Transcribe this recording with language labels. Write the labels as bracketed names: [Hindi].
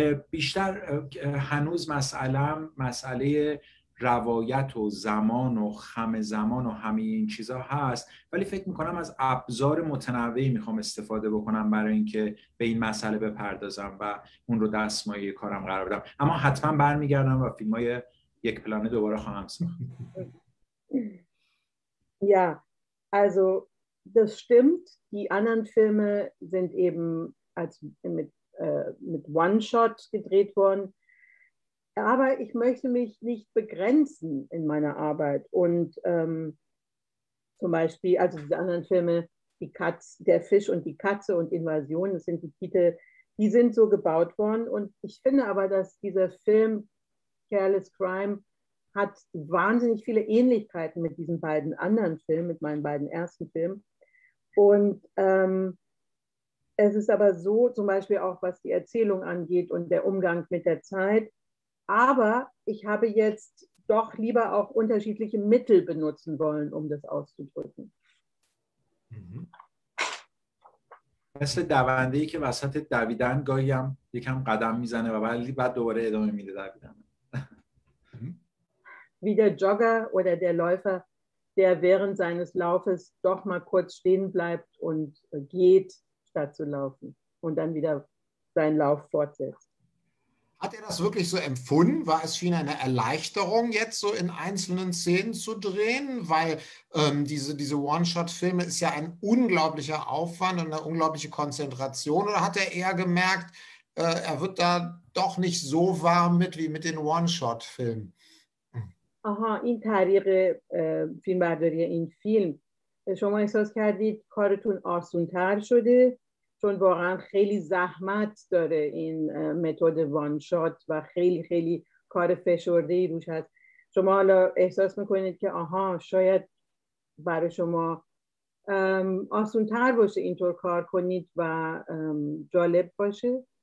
[Persian] بیشتر هنوز مسئله روایت و زمان و خم زمان و همه این چیزا هست، ولی فکر میکنم از ابزار متنوعی میخوام استفاده بکنم برای اینکه به این مسئله بپردازم و اون رو دستمایه کارم قرار بدم، اما حتما برمیگردم و فیلم های یک پلانه دوباره خواهم ساخت. یا [German] also das stimmt, die anderen Filme sind eben als mit one shot gedreht worden. Aber ich möchte mich nicht begrenzen in meiner Arbeit. Und zum Beispiel, also diese anderen Filme, die Katze, Der Fisch und die Katze und Invasion, das sind die Titel, die sind so gebaut worden. Und ich finde aber, dass dieser Film Careless Crime hat wahnsinnig viele Ähnlichkeiten mit diesen beiden anderen Filmen, mit meinen beiden ersten Filmen. Und Es ist aber so, zum Beispiel auch, was die Erzählung angeht und der Umgang mit der Zeit. Aber ich habe jetzt doch lieber auch unterschiedliche Mittel benutzen wollen, um das auszudrücken. [Persian] مثل دونده‌ای که وسط دویدن گاهی هم یکم قدم میزنه و ولی بعد دوباره ادامه میده دویدن. [German] Wie der Jogger oder der Läufer, der während seines Laufes doch mal kurz stehen bleibt und geht, statt zu laufen und dann wieder seinen Lauf fortsetzt. Hat er das wirklich so empfunden? War es schien eine Erleichterung, jetzt so in einzelnen Szenen zu drehen? Weil diese One-Shot-Filme ist ja ein unglaublicher Aufwand und eine unglaubliche Konzentration. Oder hat er eher gemerkt, er wird da doch nicht so warm mit wie mit den One-Shot-Filmen? [Persian] Aha, این تغییر فیلمبرداری این فیلم شما احساس کردید کارتون آسان‌تر شده چون واقعا خیلی زحمت داره این متد وان شات و خیلی خیلی کار فشرده ای روش هست شما حالا احساس میکنید که آها شاید برای شما آسان‌تر باشه اینطور کار کنید و جالب باشه